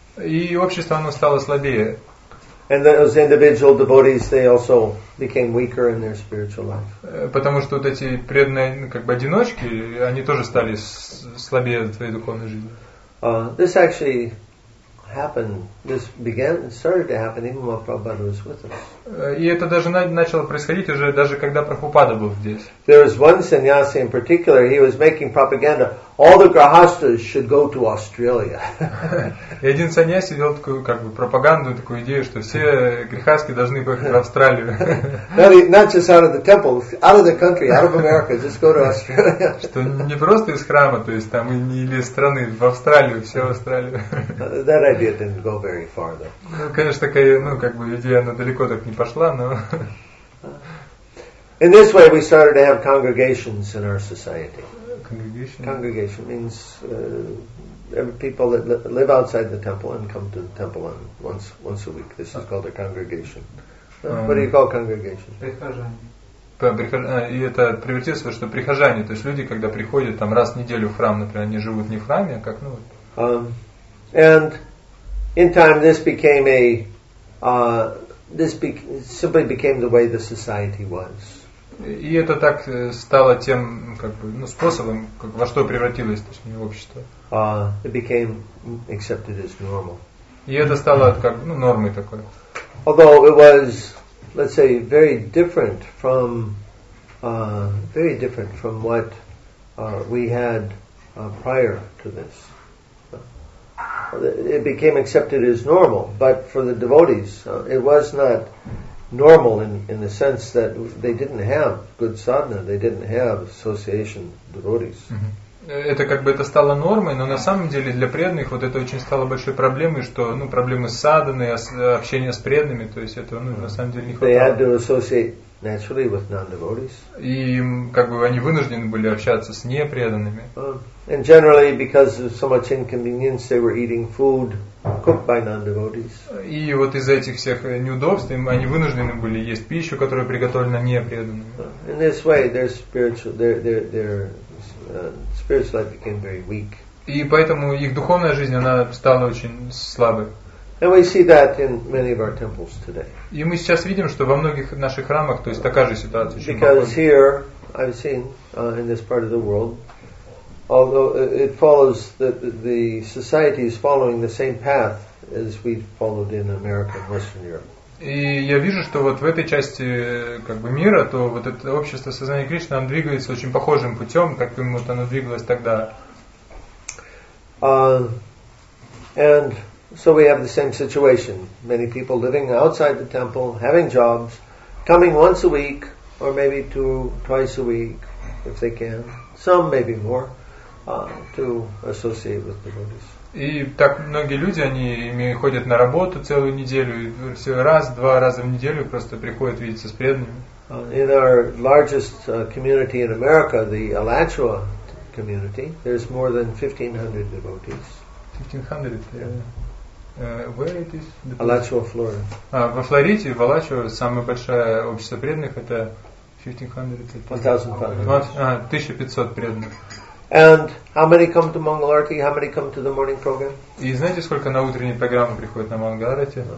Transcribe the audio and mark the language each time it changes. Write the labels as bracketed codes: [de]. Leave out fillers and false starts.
[ru] И общество, оно стало слабее. [en] And those individual devotees, they also became weaker in their spiritual life. [ru] Потому что вот эти преданные, как бы одиночки, они тоже стали слабее в своей духовной жизни. [en] This actually happened. This began, started to happen even while Prabhupada was with us. [ru] И это даже начало происходить уже даже когда Прабхупада был здесь. [en] There was one sannyasi in particular. He was making propaganda. All the grahasthas should go to Australia. [ru] И один саньяси делал такую как бы пропаганду, такую идею, что все грехаски должны поехать в Австралию. [en] Not just out of the temple, out of the country, out of America, just go to Australia. [ru] Что не просто из храма, то есть там не из страны, в Австралию, все в Австралию. [en] That idea didn't go very far, though. [ru] Ну, конечно, такая, ну, как бы идея, она далеко так не пошла, но... [en] In this way we started to have congregations in our society. Congregation. Congregation means people that live outside the temple and come to the temple once a week. This is called a congregation. What do you call congregation? [ru] Прихожане. И это превратилось в то, что прихожане, то есть люди, когда приходят там раз в неделю в храм, например, они живут не в храме, а как, ну. [en] And in time, this simply became the way the society was. [ru] И это так стало тем, как бы, ну, способом, как, во что превратилось, точнее, общество. [en] It became accepted as normal. [ru] И это стало как, ну, нормой такой. [en] Although it was, let's say, very different from what we had prior to this. It became accepted as normal, but for the devotees, it was not. Normal in the sense that they didn't have good sadhana, they didn't have association devotees. [ru] Это как бы это стало нормой, но на самом деле для преданных вот это очень стало большой проблемой, что ну проблемы с садханой, общение с преданными, то есть это ну на самом деле не хватало. [en] They had to associate naturally with non-devotees. [ru] И им как бы они вынуждены были общаться с непреданными. [en] And generally, because of so much inconvenience, they were eating food cooked by non-devotees. [ru] И вот из-за этих всех неудобств им они вынуждены были есть пищу, которая приготовлена непреданными. [en] In this way, their spiritual life became very weak. [ru] И поэтому их духовная жизнь она стала очень слабой. [en] And we see that in many of our temples today. [ru] И мы сейчас видим, что во многих наших храмах, то есть такая же ситуация. [en] Because here, I've seen in this part of the world. Although it follows that the society is following the same path as we followed in America and Western Europe. [ru] И я вижу, что вот в этой части как бы мира, то вот это общество сознания Кришны, оно двигается очень похожим путем, как бы вот оно двигалось тогда. [en] And so we have the same situation. Many people living outside the temple, having jobs, coming once a week, or maybe twice a week, if they can. Some maybe more. To associate with devotees. [ru] И так многие люди, они ходят на работу целую неделю, и все раз, два раза в неделю просто приходят видеться с преданными. [en] In our largest community in America, the Alachua community, there's more than 1,500 devotees. 1,500? Yeah. Where it is? Alachua, Florida. [ru] Во Флориде, в Алачуа, самое большое общество преданных это 1,500 преданных. [en] And how many come to Mangalarti? How many come to the morning program? [ru] И знаете, сколько на утренней программе приходит на Мангаларти?